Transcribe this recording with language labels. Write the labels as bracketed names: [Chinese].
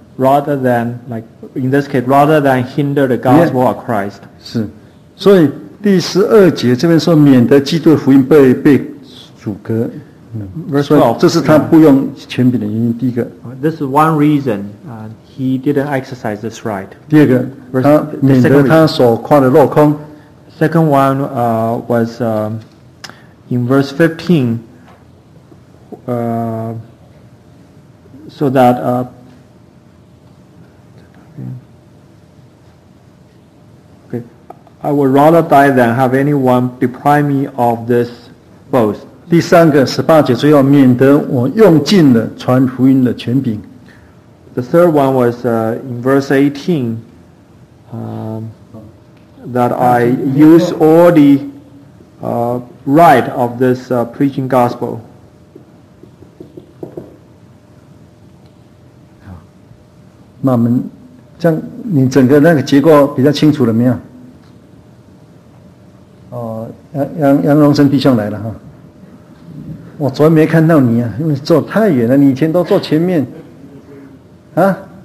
[English] Rather than like in this case, rather than hinder the gospel of Christ. [Chinese] 是，所以第十二节这边说免得基督的福音被阻隔。 [English] Verse 12, [Chinese] 这是他不用权柄的原因。第一个 [English] ，This is one reason he didn't exercise this right. [Chinese] 第二个，他免得他所夸的落空。 [English] Second one was in verse 15, so that okay, I would rather die than have anyone deprive me of this boast. [Chinese] 第三个18节最后免得我用尽了传福音的权柄。 [English] The third one was in verse 18, that I use all the right of this preaching gospel. [Chinese] 那我们这样，你整个那个结构比较清楚了没有？哦，杨荣生弟兄来了哈。我昨天没看到你啊，因为坐太远了。你以前都坐前面，啊？